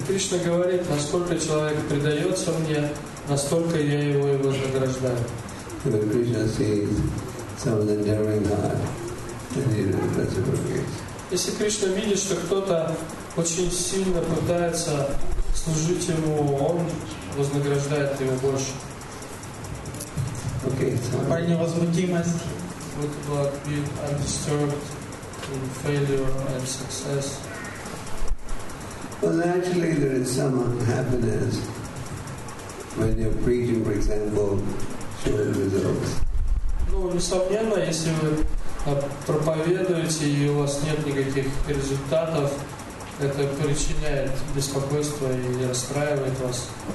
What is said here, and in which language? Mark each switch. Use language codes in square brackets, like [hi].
[ru] Krishna говорит, насколько человек предается мне, настолько я его и вознаграждаю. [en] But Krishna sees someone enduring hard, then he reciprocates. [ru] Если Кришна видит, что кто-то очень сильно пытается служить ему, он вознаграждает его больше. [en] Okay, so... [ru] По невозмутимости. [en] What about being undisturbed in failure and success? Well, actually, there is some happiness when you're preaching, for example, showing results. [ru] Ну, несомненно, если вы проповедуете и у вас нет никаких результатов, это причиняет беспокойство и расстраивает вас.